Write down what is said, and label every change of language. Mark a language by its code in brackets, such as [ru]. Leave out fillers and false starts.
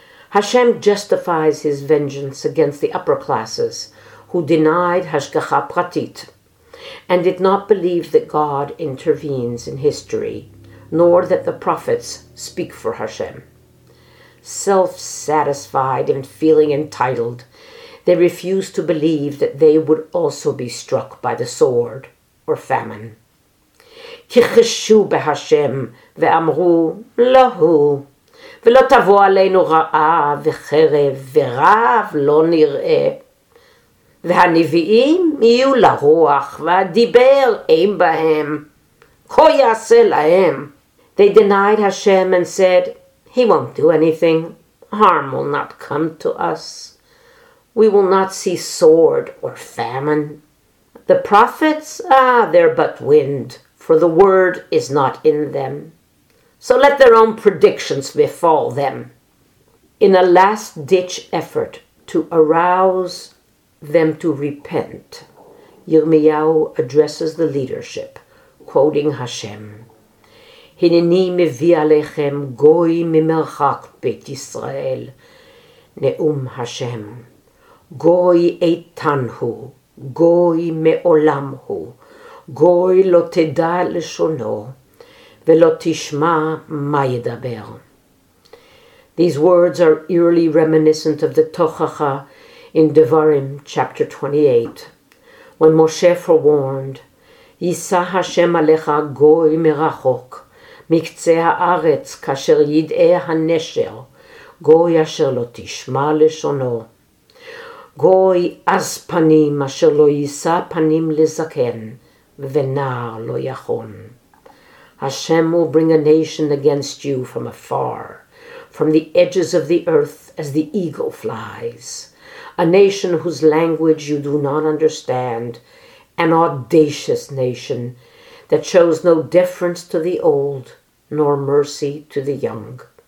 [en] Hashem justifies his vengeance against the upper classes who denied Hashgacha Pratit and did not believe that God intervenes in history, nor that the prophets speak for Hashem. Self-satisfied and feeling entitled, they refused to believe that they would also be struck by the sword or famine. [he] כי חשו בהשם ואמרו לא הוא, ולא תבוא עלינו רעה וחרב ורב לא נראה. והנביאים יהיו לרוח, והדיבר אין בהם. כה יעשה להם. [en] They denied Hashem and said, He won't do anything. Harm will not come to us. We will not see sword or famine. The prophets, they're but wind, for the word is not in them. So let their own predictions befall them. In a last-ditch effort to arouse them to repent, Yirmiyahu addresses the leadership, quoting Hashem. [he] הנני מביא עליכם גוי ממרחק בית ישראל, נאום השם. גוי איתן הוא, גוי מעולם הוא, גוי לא תדע לשונו, ולא תשמע מה ידבר. [en] These words are eerily reminiscent of the Tochacha in Devarim chapter 28. When Moshe forewarned, [he] יישא השם עליך גוי מרחוק, מקצה הארץ כאשר ידעה הנשר, גוי אשר לא תשמע לשונו. גוי אז פנים אשר לא יישא פנים לזקן, ונער לא יכון. [en] Hashem will bring a nation against you from afar, from the edges of the earth as the eagle flies. A nation whose language you do not understand, an audacious nation that shows no deference to the old, nor mercy to the young.